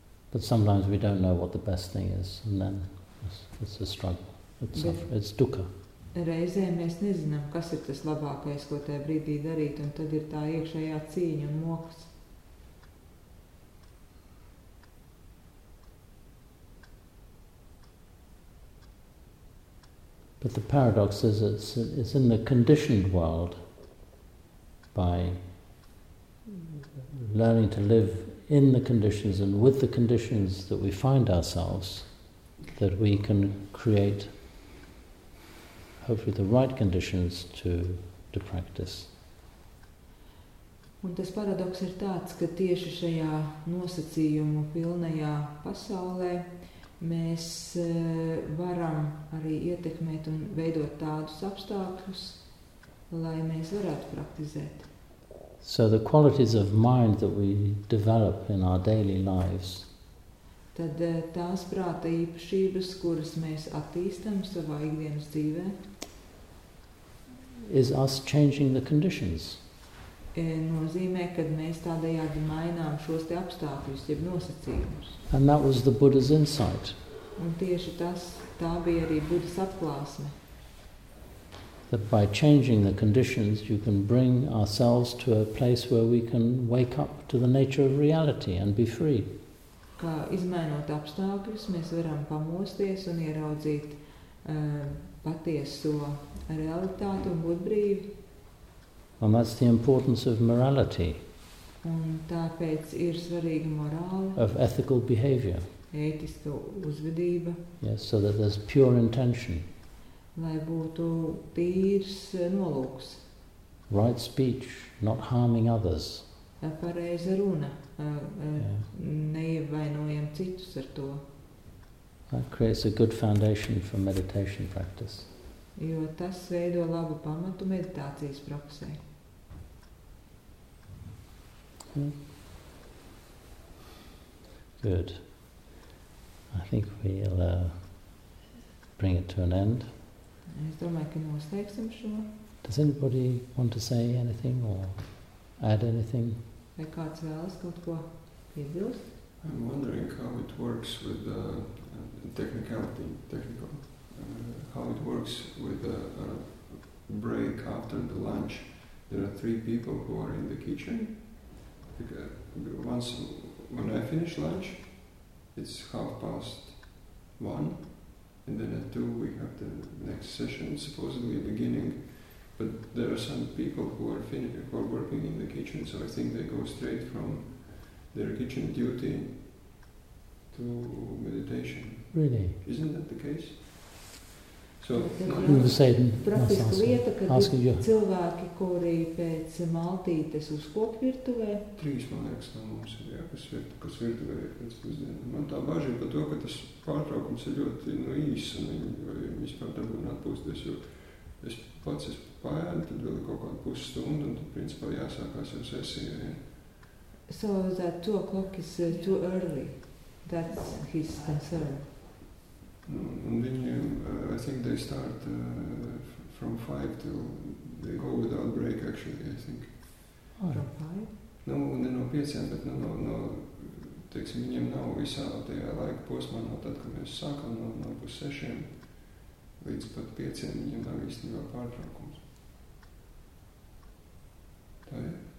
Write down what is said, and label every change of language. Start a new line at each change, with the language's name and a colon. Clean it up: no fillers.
English: But sometimes we don't know what the best thing is, and then it's a struggle. It's dukkha.
Latvian: Reizēm mēs nezinām, kas ir tas labākais, ko tajā brīdī darīt, un tad ir tā iekšējā cīņa un mokas.
English: But the paradox is it's in the conditioned world by learning to live in the conditions and with the conditions that we find ourselves that we can create hopefully the right conditions to practice.
Latvian: Un tas paradoks ir tāds, ka tieši šajā nosacījumu pilnajā pasaulē mēs varam arī ietekmēt un veidot tādus apstākļus, lai mēs varētu praktizēt.
English: So the qualities of mind that we develop in our daily lives.
Latvian: Tad tās prāta īpašības, kuras mēs attīstam savā ikdienas dzīvē,
English: is us changing the conditions.
Latvian: Nozīmē, kad mēs tādējādi mainām šos te apstākļus, jeb nosacījumus.
English: And that was the Buddha's insight.
Latvian: Un tieši tas, tā bija arī Budas atklāsme.
English: That by changing the conditions you can bring ourselves to a place where we can wake up to the nature of reality and be free.
Latvian: Kā izmainot apstākļus, mēs varam pamosties un ieraudzīt patieso realitāti un būt brīvi.
English: And that's the importance of morality.
Latvian: Un tāpēc ir svarīga morāla.
English: Of ethical behavior.
Latvian: Ētiska uzvedība.
English: Yes, so that there's pure intention.
Latvian: Lai būtu tīrs nolūks.
English: Right speech, not harming others.
Latvian: Pareiza runa. Neievainojam citus ar to.
English: That creates a good foundation for meditation practice.
Latvian: Jo tas veido labu pamatu meditācijas praksē.
English: Good. I think we'll bring it to an end.
Latvian: Es domāju, ka mēs teiksim šo.
English: Does anybody want to say anything or add anything?
Latvian: Vai kāds vēlas kaut ko piebilst?
English: I'm wondering how it works with break after the lunch. There are three people who are in the kitchen. Once when I finish lunch, it's 1:30, and then at 2 we have the next session, supposedly beginning. But there are some people who are working in the kitchen, so I think they go straight from their kitchen duty to meditation. Really? Isn't that the case?
Latvian: So, praktiska lieta, kad ir cilvēki, kuri pēc maltītes uzkop virtuvē. Trīs, man liekas, no mums ir, jā, kas virtuvē ir pēc pusdienu. Man tā baži ir par to, ka tas pārtraukums ir ļoti īs, un viņi spēl tam būtu atpūsties, jo es pats esmu paēdu, tad vēl ir kaut kādu pusstundu, un tad, principā, jāsākās ar sesiju. Jā.
English: So, that 2:00 is too early. That's his concern. And then I think they start from 5 till they go without break actually, I think. From 5?
Latvian: No, ne no 5, but no, teiksim, viņiem nav visā tajā laika posmā, no tad, kad mēs sākam no pus 6 līdz pat 5, viņiem nav īstenībā pārtraukums. Tā ir?